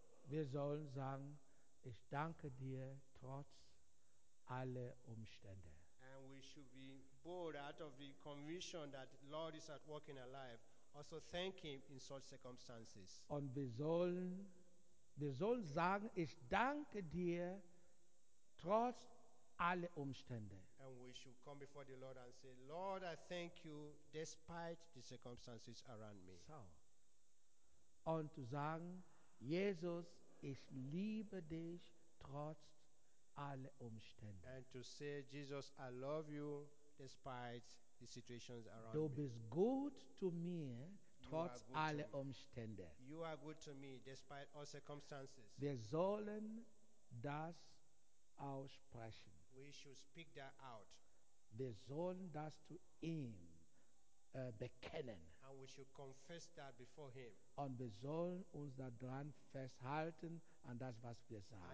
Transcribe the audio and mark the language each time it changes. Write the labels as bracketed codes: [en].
[de] Wir sollen sagen, ich danke dir trotz alle Umstände. [en] And we should be bold out of the conviction that the Lord is at work in our life, also thank him in such circumstances. [de] Und wir sollen sagen, ich danke dir trotz alle Umstände. [en] And we should come before the Lord and say, Lord, I thank you despite the circumstances around me. So. [de] Und zu sagen, Jesus, ich liebe dich trotz alle Umstände. [en] And to say, Jesus, I love you despite the situations around [de] du [en] me. [de] Du bist gut zu mir trotz alle Umstände. [en] You are good to me despite all circumstances. [de] Wir sollen das aussprechen. [en] We should speak that out. [de] Wir sollen das zu ihm bekennen. [en] And we should confess that before him. [de] Und wir sollen uns daran festhalten, [en] and that's verse 5.